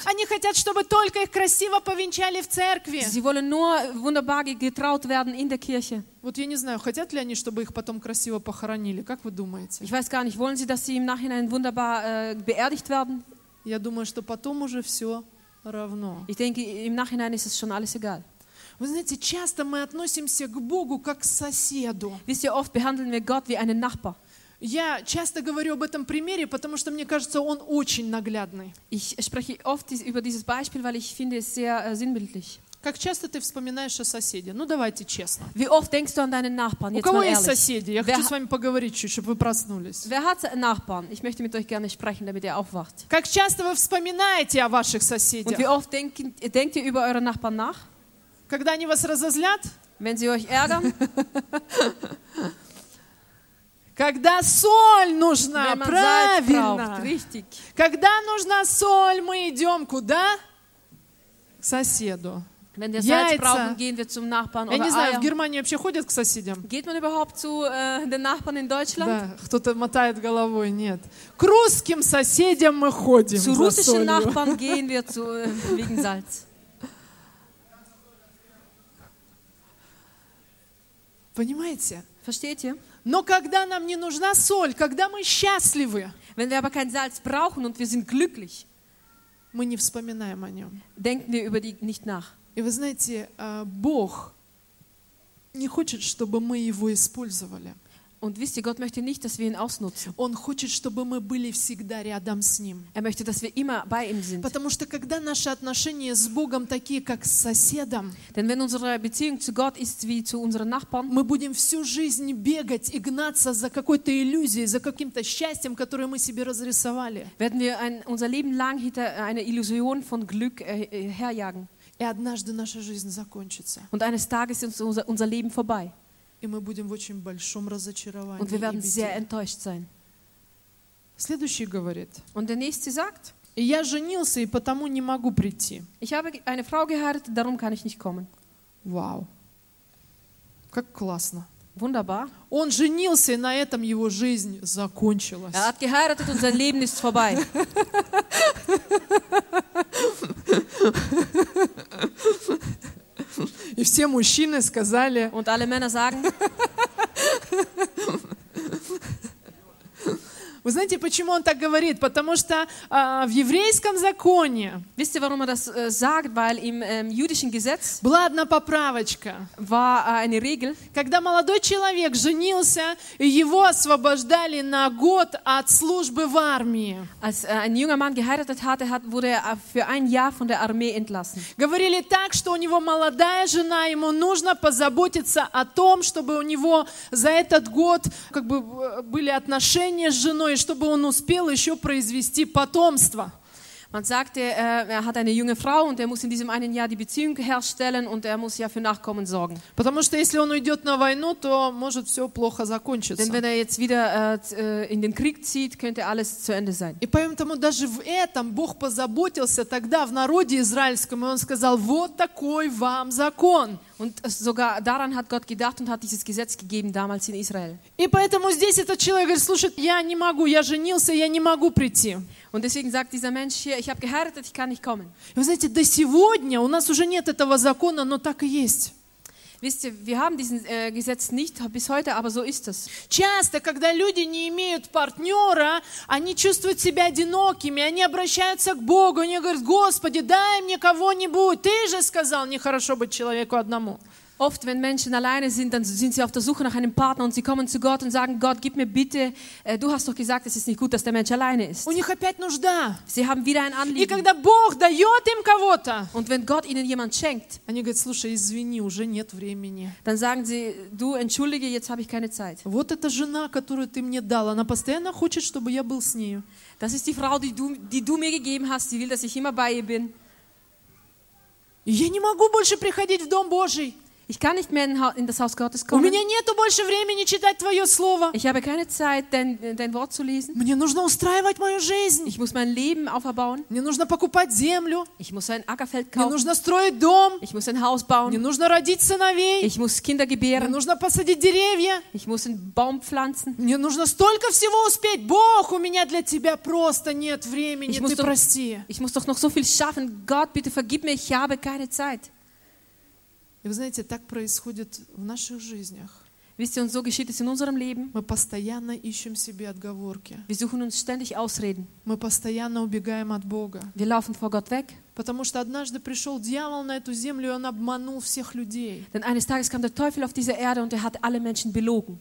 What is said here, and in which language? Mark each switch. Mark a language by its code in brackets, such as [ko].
[ru] Они хотят, чтобы только их красиво повенчали в церкви. [de] Sie wollen nur wunderbar getraut werden in der Kirche. [ru] Вот я не знаю, хотят ли они, чтобы их потом красиво похоронили. Как вы думаете? [de] Ich weiß gar nicht, wollen sie, dass sie im Nachhinein wunderbar beerdigt werden? [ru] Я думаю, что потом уже все равно. [de] Ich denke, im Nachhinein ist es schon alles egal. [ru] Вы знаете, часто мы относимся к Богу как к соседу. [de] Wisst ihr, oft behandeln wir Gott wie einen Nachbar. [ru] Я часто говорю об этом примере, потому что мне кажется, он очень наглядный. [de] Ich spreche oft über dieses Beispiel, weil ich finde es sehr sinnbildlich. [ru] Как часто ты вспоминаешь о соседе? Ну давайте честно. [de] Wie oft denkst du an deinen Nachbarn? [ru] У кого есть соседи? Я хочу с вами поговорить чуть, чтобы вы проснулись. [de] Wer hat Nachbarn? Ich möchte mit euch gerne sprechen, damit ihr aufwacht. [ru] Как часто вы вспоминаете о ваших соседях? [de] Und wie oft denkt ihr über eure Nachbarn nach? [ru] Когда они вас разозлят? [de] Wenn sie euch ärgern? [ru] Когда соль нужна, правильно. [de] Braucht, [ru] когда нужна соль, мы идем куда? К соседу. [de] Wenn wir Salz brauchen, gehen wir zum Nachbarn. [ru] Я не знаю, в Германии вообще ходят к соседям? [de] Geht man überhaupt zu den Nachbarn in Deutschland? [ru] Да, кто-то мотает головой, нет. К русским соседям мы ходим. [de] Zu russischen Nachbarn gehen wir zu, wegen Salz. [ru] Понимаете? [de] Verstehe? [ru] Но когда нам не нужна соль, когда мы счастливы, [de] wenn wir aber kein Salz brauchen und wir sind glücklich, [ru] мы не вспоминаем о нем. [de] Denken wir über die nicht nach. [ru] И вы знаете, Бог не хочет, чтобы мы его использовали. [de] Und wisst ihr, Gott möchte nicht, dass wir ihn ausnutzen. [ru] Он хочет, чтобы мы были всегда рядом с ним. [de] Er möchte, dass wir immer bei ihm sind. [ru] Потому что когда наши отношения с Богом такие, как с соседом, [de] denn wenn unsere Beziehung zu Gott ist wie zu unseren Nachbarn, [ru] мы будем всю жизнь бегать и гнаться за какой-то иллюзией, за каким-то счастьем, которое мы себе разрисовали. [de] Werden wir unser Leben lang hinter einer Illusion von Glück herjagen. [ru] И однажды наша жизнь закончится. [de] Und eines Tages ist unser Leben vorbei. [ru] И мы будем в очень большом разочаровании. [de] Und wir werden sehr enttäuscht sein. [ru] Следующий говорит. [de] Und der nächste sagt, [ru] я женился, и потому не могу прийти. [de] Ich habe eine Frau geheiratet, darum kann ich nicht kommen. [ru] Wow. Как классно. [de] Wunderbar. [ru] Он женился, и на этом его жизнь закончилась. [de] Er hat geheiratet und sein Leben ist vorbei. [ru] И все мужчины сказали. [de] Und alle Männer sagen. [ru] Вы знаете, почему он так говорит? Потому что в еврейском законе. [de] Wisst ihr, warum das sagt? Weil im jüdischen Gesetz. [ru] Была одна поправочка. [de] War eine Regel. [ru] Когда молодой человек женился, его освобождали на год от службы в армии. [de] Als ein junger Mann geheiratet hatte, wurde für ein Jahr von der Armee entlassen. [ru] Говорили так, что у него молодая жена, ему нужно позаботиться о том, чтобы у него за этот год как бы были отношения с женой. И чтобы он успел еще произвести потомство. [de] Man sagte, er hat eine junge Frau und er muss in diesem einen Jahr die Beziehung herstellen und er muss ja für Nachkommen sorgen. [ru] Потому что если он уйдет на войну, то может все плохо закончиться. [de] Denn wenn er jetzt wieder in den Krieg zieht, könnte alles zu Ende sein. [ru] И поэтому даже в этом Бог позаботился тогда в народе израильском, и он сказал, вот такой вам закон. [de] Und sogar daran hat Gott gedacht und hat dieses Gesetz gegeben damals in Israel. [ru] И поэтому здесь этот человек говорит, слушай, я не могу, я женился, я не могу прийти. [de] Und deswegen sagt dieser Mensch hier, ich habe geheiratet, ich kann nicht kommen. [ru] Вы знаете, до сегодня у нас уже нет этого закона, но так и есть. [de] Wisst ihr, wir haben diesen Gesetz nicht bis heute, aber so ist es. [ru] Часто, когда люди не имеют партнера, они чувствуют себя одинокими, они обращаются к Богу, они говорят, Господи, дай мне кого-нибудь, ты же сказал, нехорошо быть человеку одному. [de] Oft, wenn Menschen alleine sind, dann sind sie auf der Suche nach einem Partner und sie kommen zu Gott und sagen, Gott, gib mir bitte, du hast doch gesagt, es ist nicht gut, dass der Mensch alleine ist. [ru] У них опять нужда. [de] Sie haben wieder ein Anliegen. [ru] И когда Бог дает им кого-то, [de] und wenn Gott ihnen jemand schenkt, [ru] они говорят, слушай, извини, уже нет времени. [de] Dann sagen sie, du, entschuldige, jetzt habe ich keine Zeit. [ru] Вот эта жена, которую ты мне дал, она постоянно хочет, чтобы я был с нею. [de] Das ist die Frau, die du mir gegeben hast, sie will, dass ich immer bei ihr bin. [ru] Я не могу больше приходить в Дом Божий. [de] Ich kann nicht mehr in das Haus Gottes kommen. [ru] У меня нету больше времени читать твое слово. [de] Ich habe keine Zeit, dein Wort zu lesen. [ru] Мне нужно устраивать мою жизнь. [de] Ich muss mein Leben aufbauen. [ru] Мне нужно покупать землю. [de] Ich muss ein Ackerfeld kaufen. [ru] Мне нужно строить дом. [de] Ich muss ein Haus bauen. [ru] Мне нужно родить сыновей. [de] Ich muss Kinder gebären. [ru] Мне нужно посадить деревья. [de] Ich muss einen Baum pflanzen. [ru] Мне нужно столько всего успеть. Бог, у меня для тебя просто нет времени. [de] Ich muss [ru] ты прости. [de] Ich muss doch noch so viel schaffen. Gott, bitte vergib mir, ich habe keine Zeit. [ru] И вы знаете, так происходит в наших жизнях. [de] Wisst ihr, so geschieht es in unserem Leben. [ru] Мы постоянно ищем себе отговорки. [de] Wir suchen uns ständig Ausreden. [ru] Мы постоянно убегаем от Бога. [de] Wir laufen vor Gott weg. [ru] Потому что однажды пришел дьявол на эту землю, и он обманул всех людей. [de] Denn eines Tages kam der Teufel auf diese Erde und hat alle Menschen belogen.